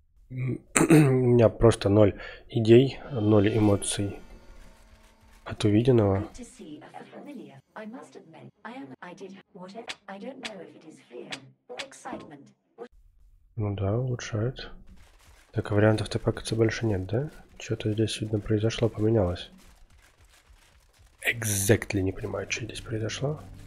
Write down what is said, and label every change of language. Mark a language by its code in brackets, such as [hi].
[ru] Меня просто ноль идей, ноль эмоций от увиденного. [en] I must admit, I am. I did. What if? I don't know if it is fear or excitement. [ru] Ну да, улучшает. Так, вариантов-то пока больше нет, да? Что-то здесь, видно, произошло, поменялось. Exactly не понимаю, что здесь произошло.